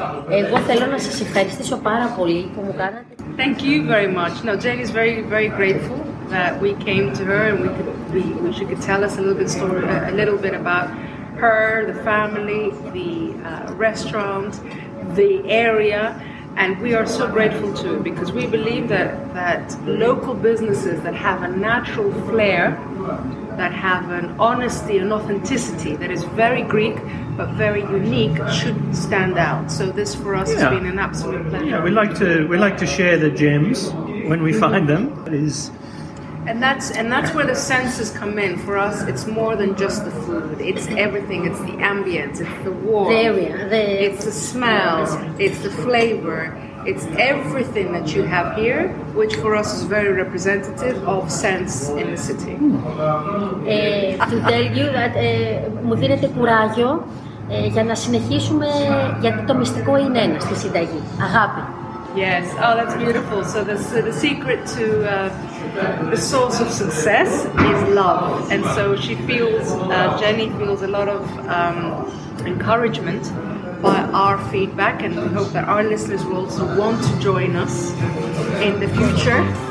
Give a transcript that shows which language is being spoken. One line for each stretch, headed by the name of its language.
Greek: Εγώ θέλω να σας ευχαριστήσω πάρα πολύ που μου κάνατε.
English: Thank you very much. Now, Jenny is very, very grateful that we came to her and she could tell us a little bit about her, the family, the restaurant, the area. And we are so grateful too, because we believe that local businesses that have a natural flair, that have an honesty and authenticity that is very Greek but very unique, should stand out. So this for us has been an absolute pleasure. Yeah, we like to share the gems when we find them. And that's where the senses come in. For us, it's more than just the food. It's everything. It's the ambience. It's the warmth. The area. It's the smell. It's the flavor. It's everything that you have here, which for us is very representative of sense in the city. To tell you that
Greek: μου δίνετε κουράγιο για να συνεχίσουμε, γιατί το μυστικό είναι ένα στη συνταγή. Αγάπη.
English: Yes. Oh, that's beautiful. So the secret to the source of success is love. And so she feels, Jenny feels a lot of encouragement by our feedback, and we hope that our listeners will also want to join us in the future.